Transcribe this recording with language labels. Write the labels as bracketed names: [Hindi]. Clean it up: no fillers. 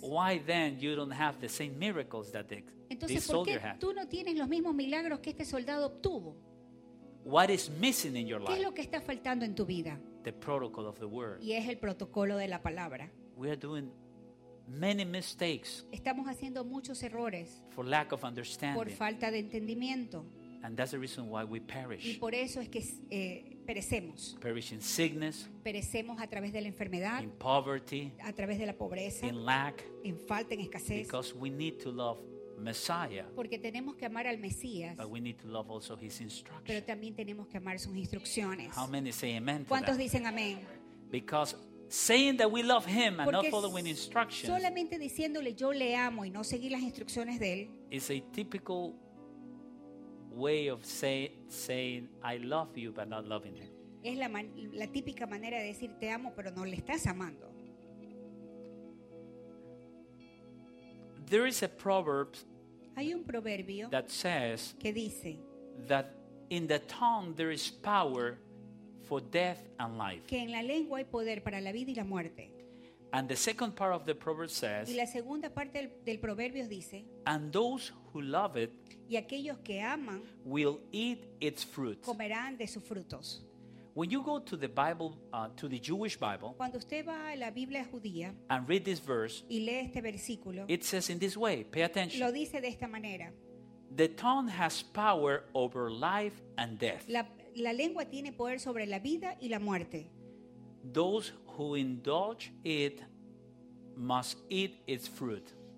[English] Why then you don't have the same miracles that this soldier had? [Spanish] Entonces, ¿por qué tú no tienes los mismos milagros que este soldado obtuvo? [English] What is missing in your life? [Spanish] ¿Qué es lo que está faltando en tu vida? [English] The protocol of the word. [Spanish] Y es el protocolo de la palabra. [English] We are doing many mistakes. [Spanish] Estamos haciendo muchos errores. [English] For lack of understanding. [Spanish] Por falta de entendimiento. [English] And that's the reason why we perish. [Spanish] Y por eso es que perecemos. [English] Perish in sickness. [Spanish] Perecemos a través de la enfermedad. [English] In poverty. [Spanish] A través de la pobreza. [English] In lack. [Spanish] En falta, en escasez. [English] Because we need to love Messiah. [Spanish] Porque tenemos que amar al Mesías. [English] But we need to love also his instructions. [Spanish] Pero también tenemos que amar sus instrucciones. [English] How many say amen? [Spanish] ¿Cuántos [English] that? [Spanish] Dicen amén? [English] Because saying that we love him and not following instructions, [Spanish] solamente diciéndole yo le amo y no seguir las instrucciones de él, [English] is a typical way of saying I love you but not loving him. [Spanish] Es la típica manera de decir te amo pero no le estás amando. [English] There is a proverb, [Spanish] hay un proverbio [English] that says, [Spanish] que dice, [English] that in the tongue there is power for death and life. [Spanish] Que en la lengua hay poder para la vida y la muerte. [English] And the second part of the proverb says, [Spanish] y la segunda parte del proverbio dice, [English] and those who love it, [Spanish] y aquellos que aman, [English] will eat its fruit. [Spanish] Comerán de sus frutos. [English] When you go to the Bible, to the Jewish Bible, [Spanish] cuando usted va a la Biblia judía, [English] and read this verse, [Spanish] y lee este versículo, [English] it says in this way, pay attention. [Spanish] Lo dice de esta manera. [English] The tongue has power over life and death. [Spanish] La lengua tiene poder sobre la vida y la muerte. [English] Those who indulge it must eat its fruit.